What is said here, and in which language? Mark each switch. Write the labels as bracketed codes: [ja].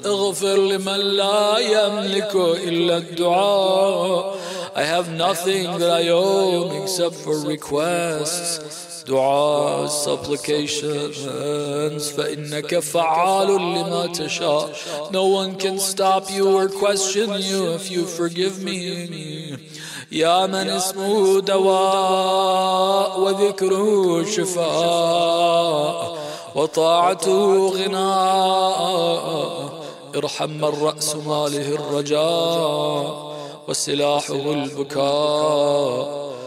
[ar] اغفر لمن لا يملك إلا الدعاء. [en] I have nothing that I own except for requests, duas, supplications. [ar] فإنك فعال لما تشاء. [en] No one can stop you or question you if you forgive me. [ar] يا من اسمه دواء وذكره شفاء وطاعته غناء. ارحم من رأس ماله الرجاء وسلاحه البكاء.